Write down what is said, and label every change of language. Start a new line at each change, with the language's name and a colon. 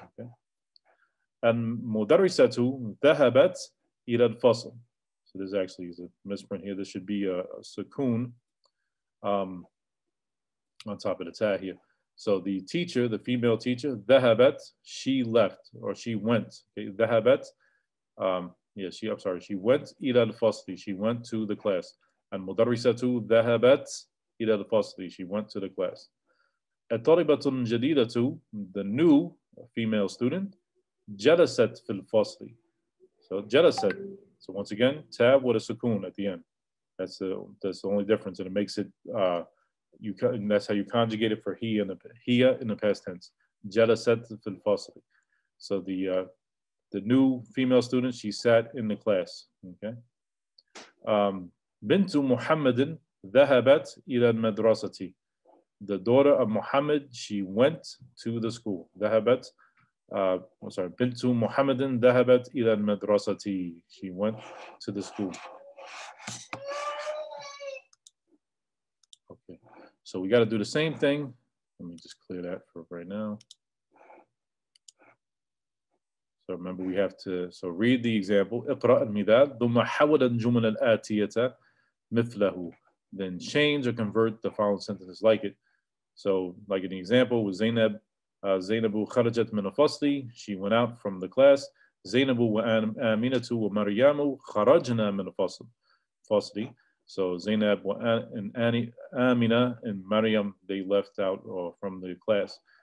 Arabic: Okay. المدرسة ذهبت إلى الفصل.
English: So this actually is a misprint here. This should be a sukun on top of the ta here. So the teacher, the female teacher, ذهبت, she left or she went.
Arabic: ذهبت,
English: she went
Arabic: إلى الفصل.
English: She went to the class.
Arabic: And المدرسة ذهبت إلى الفصل.
English: She went to the class.
Arabic: الطالبة الجديدة,
English: the new female student,
Arabic: جلست في الفصل. So جلست.
English: So once again, tab with a sukun at the end. That's the only difference, and it makes it and that's how you conjugate it for he in the past tense.
Arabic: جلست في الفصل.
English: So the new female student, she sat in the class. Okay.
Arabic: بنت محمد ذهبت إلى المدرسة.
English: The daughter of Muhammad, she went to the school.
Arabic: ذهبت. بنت محمد ذهبت إلى المدرسة.
English: She went to the school. Okay. So we got to do the same thing. Let me just clear that for right now. So remember, we have to read the example.
Arabic: اقرأ المثال ثم حول الجمل الآتية مثله.
English: Then change or convert the following sentences like it. So like an example with Zainab.
Arabic: Zainabu kharajat min al-fasli.
English: She went out from the class.
Arabic: Zainabu wa Aminatu wa Maryamu kharajna min al-fasli.
English: So Zainab and Amina and Maryam, they left out from the class.